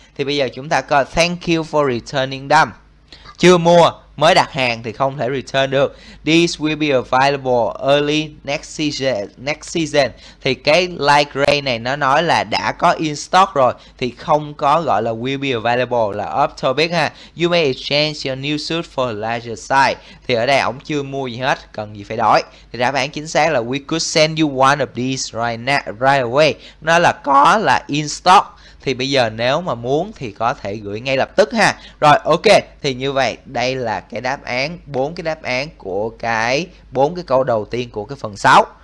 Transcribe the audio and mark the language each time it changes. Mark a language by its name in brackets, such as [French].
[Vietnamese] Thì bây giờ chúng ta coi [English] thank you for returning them. [Vietnamese] Chưa mua, mới đặt hàng thì không thể return được. [English] These will be available early next season. [Vietnamese] Thì cái light gray này nó nói là đã có in stock rồi thì không có gọi là [English] will be available, [Vietnamese] là off topic ha. [English] You may exchange your new suit for a larger size. [Vietnamese] Thì ở đây ổng chưa mua gì hết, cần gì phải đổi. Thì đáp án chính xác là [English] we could send you one of these right away. [Vietnamese] Nó là có là [English] in stock. [Vietnamese] thì bây giờ nếu mà muốn thì có thể gửi ngay lập tức ha. Rồi ok, thì như vậy đây là cái đáp án, bốn cái đáp án của cái bốn cái câu đầu tiên của cái phần 6.